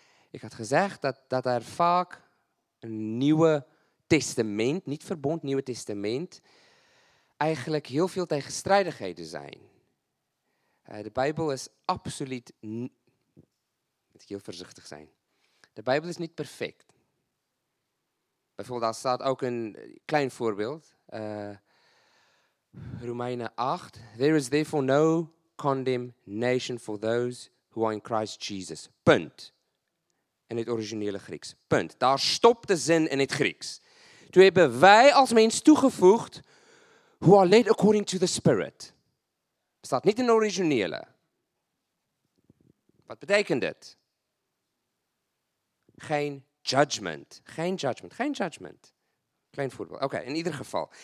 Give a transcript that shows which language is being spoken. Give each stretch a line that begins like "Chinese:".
Dutch: Ik had gezegd dat er vaak een nieuwe testament, niet verbond, nieuwe testament, eigenlijk heel veel tegenstrijdigheden zijn. De Bijbel is absoluut, moet ik heel voorzichtig zijn, de Bijbel is niet perfect. Bijvoorbeeld, daar staat ook een klein voorbeeld, Romeinen 8.
English: There is therefore no condemnation for those who are in Christ Jesus.
Dutch: Punt. In het originele Grieks. Punt. Daar stopt de zin in het Grieks. Toen hebben wij als mens toegevoegd,
English: who are led according to the Spirit.
Dutch: Staat niet in de originele. Wat betekent dit? Geen judgment. Geen judgment. Geen judgment. Klein voorbeeld. Oké, in ieder geval.